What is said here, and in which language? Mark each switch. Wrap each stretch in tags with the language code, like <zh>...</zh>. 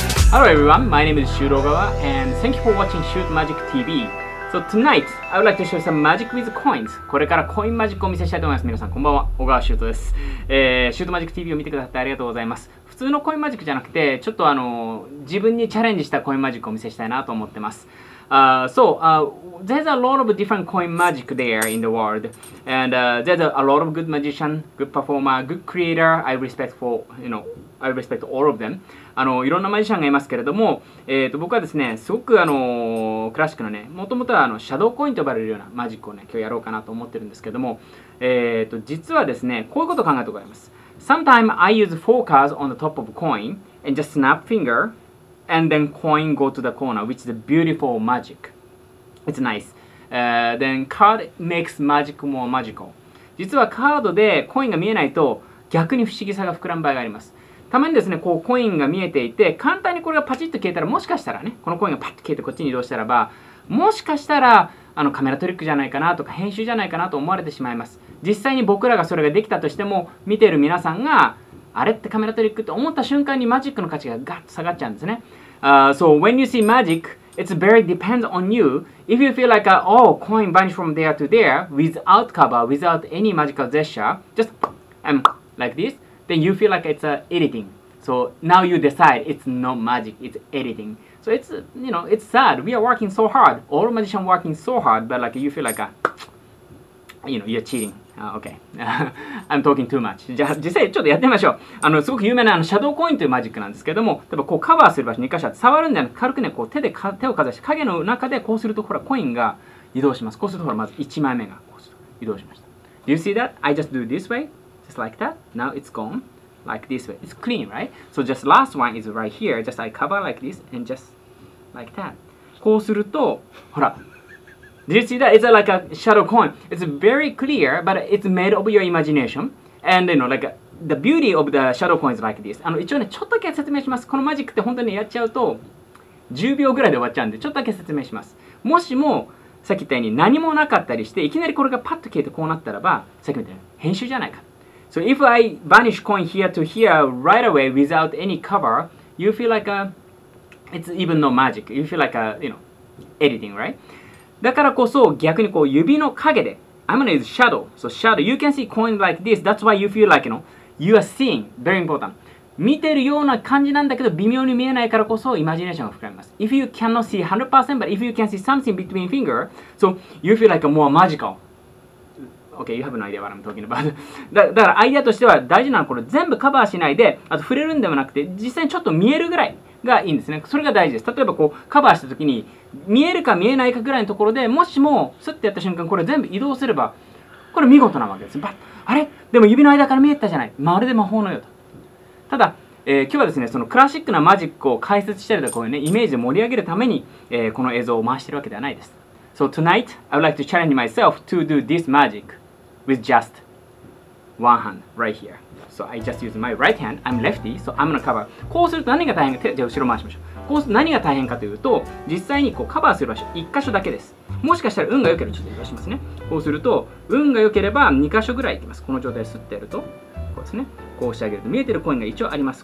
<en>Hello everyone, my name is Shuro Ogawa and thank you for watching Shoot Magic TV. So tonight, I would like to show some magic with coins.</en> <ja>これからコインマジックをお見せしたいと思います。皆さんこんばんは、小川シュートです。 Shoot Magic TV を見てくださってありがとうございます。普通のコインマジックじゃなくて、ちょっと自分にチャレンジしたコインマジックをお見せしたいなと思ってます。</ja> <en>There's a lot of different coin magic there in the world. And there's a lot of good magician, good performer, good creator. I respect all of them.</en> <ja>いろんなマジシャンがいますけれども、僕はですね、すごくクラシックのね、もともとはシャドーコインと呼ばれるようなマジックをね、今日やろうかなと思ってるんですけども、実はですね、こういうことを考えておきます。</ja> <en>Sometimes I use four cards on the top of coin and just snap fingerAnd then coin go to the corner, which is a beautiful magic. It's nice. Then card makes magic more magical.</en> <ja>実はカードでコインが見えないと逆に不思議さが膨らむ場合があります。たまにですね、こうコインが見えていて、簡単にこれがパチッと消えたら、もしかしたらね、このコインがパッと消えてこっちに移動したらば、もしかしたらカメラトリックじゃないかなとか編集じゃないかなと思われてしまいます。実際に僕らがそれができたとしても、見ている皆さんがあれってカメラトリックって思った瞬間にマジックの価値がガッと下がっちゃうんですね。</ja> <en>So when you see magic, it's very depends on you. If you feel like, coin vanish from there to there, without cover, without any magical gesture, just like this, then you feel like it's editing. So now you decide it's not magic, it's editing. So it's, you know, it's sad. We are working so hard. All magicians working so hard, but like you feel like, you're cheating. Okay. I'm talking too much.</en> <ja>じゃあ実際ちょっとやってみましょう。すごく有名なシャドーコインというマジックなんですけども、例えばこうカバーする場所に2箇所触るんじゃなくて、軽くね、こう手をかざして影の中でこうするとほらコインが移動します。こうするとほらまず1枚目がこうすると移動しました。</ja> <en>Do you see that? I just do this way, just like that. Now it's gone, like this way. It's clean, right? So just last one is right here. Just I cover like this and just like that.</en> <ja>こうするとほら、</ja> <en>Do you see that? It's like a shadow coin. It's very clear, but it's made of your imagination. And you know, like the beauty of the shadow coin is like this.</en> <ja>一応ね、ちょっとだけ説明します。このマジックって本当にやっちゃうと10秒ぐらいで終わっちゃうんで、ちょっとだけ説明します。もしも、さっき言ったように何もなかったりして、いきなりこれがパッと消えてこうなったらば、さっき言ったように編集じゃないか。</ja> <en>So if I vanish coin here to here right away without any cover, you feel like a, it's even no magic. You feel like a, you know, editing, right?</en> <ja>だからこそ逆にこう指の影で、</ja> <en>I'm gonna use shadow. So shadow, you can see coin like this. That's why you feel like, you are seeing. Very important.</en> <ja>見てるような感じなんだけど微妙に見えないからこそイマジネーションが膨らみます。</ja> <en>If you cannot see 100%, but if you can see something between finger, so you feel like more magical. Okay, you have no idea what I'm talking about.</en> <ja>だからアイデアとしては大事なのはこれ全部カバーしないで、あと触れるんではなくて、実際にちょっと見えるぐらいがいいんですね。それが大事です。例えばこうカバーしたときに、見えるか見えないかぐらいのところでもしもスッてやった瞬間これ全部移動すればこれ見事なわけです。バッあれでも指の間から見えたじゃない、まるで魔法のようと。ただ、今日はですね、そのクラシックなマジックを解説したりとかこういうねイメージを盛り上げるために、この映像を回してるわけではないです。</ja> <en>So tonight I would like to challenge myself to do this magic with just one hand right here. So I just use my right hand. I'm lefty, so I'm gonna cover.</en> <ja>こうすると何が大変か、じゃあ後ろ回しましょう。こうすると何が大変かというと、実際にこうカバーする場所1箇所だけです。もしかしたら運が良ければ、ちょっと移動しますね。こうすると、運が良ければ2箇所ぐらい行きます。この状態ですってやると、こうですね。こうしてあげると、見えてるコインが一応あります。</ja>